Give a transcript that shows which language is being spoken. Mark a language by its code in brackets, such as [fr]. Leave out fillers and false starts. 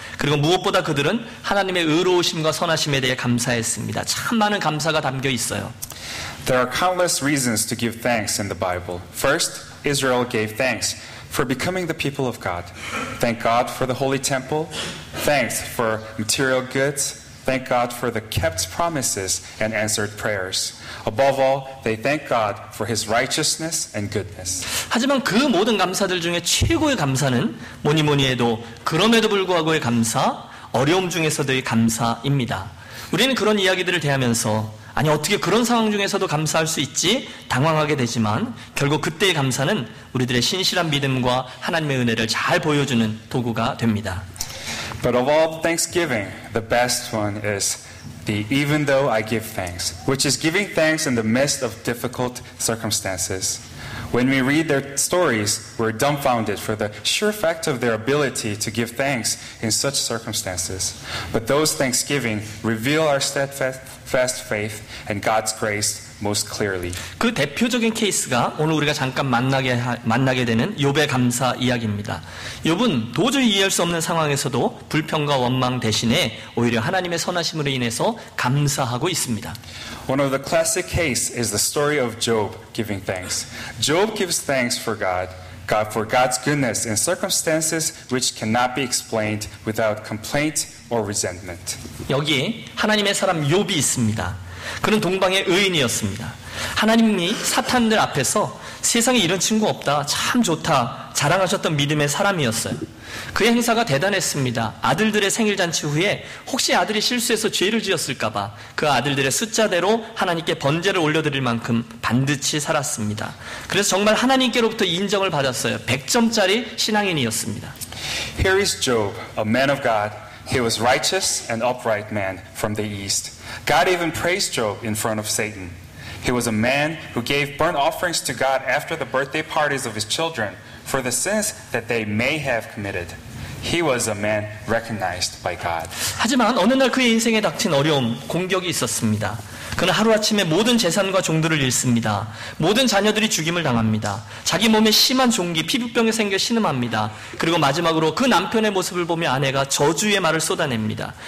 [ko] 그리고 무엇보다 그들은 하나님의 의로우심과 선하심에 대해 감사했습니다. 참 많은 감사가 담겨 있어요. [en] There are countless reasons to give thanks in the Bible. First, Israel gave thanks for becoming the people of God. Thank God for the holy temple. Thanks for material goods. Thank God for the kept promises and answered prayers. Above all, they thank God for His righteousness and goodness. [ko] 하지만 그 모든 감사들 중에 최고의 감사는 뭐니 뭐니 해도 그럼에도 불구하고의 감사, 어려움 중에서도의 감사입니다. 우리는 그런 이야기들을 대하면서 아니 어떻게 그런 상황 중에서도 감사할 수 있지? 당황하게 되지만 결국 그때의 감사는 우리들의 신실한 믿음과 하나님의 은혜를 잘 보여주는 도구가 됩니다. [en] But of all thanksgiving, the best one is the even though I give thanks, which is giving thanks in the midst of difficult circumstances. When we read their stories, we're dumbfounded for the sure fact of their ability to give thanks in such circumstances. But those thanksgiving reveal our steadfast faith and God's grace most clearly. [ko] 그 대표적인 케이스가 오늘 우리가 잠깐 만나게 되는 욥의 감사 이야기입니다. 욥은 도저히 이해할 수 없는 상황에서도 불평과 원망 대신에 오히려 하나님의 선하심으로 인해서 감사하고 있습니다. [en] One of the classic cases is the story of Job giving thanks. Job gives thanks for God. God for God's goodness in circumstances which cannot be explained without complaint or resentment. [ko] 여기에 하나님의 사람 욥이 있습니다. 그는 동방의 의인이었습니다. 하나님이 사탄들 앞에서 세상에 이런 친구 없다, 참 좋다, 자랑하셨던 믿음의 사람이었어요. 그의 행사가 대단했습니다. 아들들의 생일잔치 후에 혹시 아들이 실수해서 죄를 지었을까봐 그 아들들의 숫자대로 하나님께 번제를 올려드릴 만큼 반드시 살았습니다. 그래서 정말 하나님께로부터 인정을 받았어요. 100점짜리 신앙인이었습니다. [en] Here is Job, a man of God. He was righteous and upright man from the east. God even praised Job in front of Satan. He was a man who gave burnt offerings to God after the birthday parties of his children for the sins that they may have committed. He was a man recognized by God. [ko] 하지만 어느 날 그의 인생에 닥친 어려움, 공격이 있었습니다. 그는 하루아침에 모든 재산과 종들을 잃습니다. 모든 자녀들이 죽임을 당합니다. 자기 몸에 심한 종기, 피부병이 생겨 신음합니다. 그리고 마지막으로 그 남편의 모습을 보며 아내가 저주의 말을 쏟아냅니다.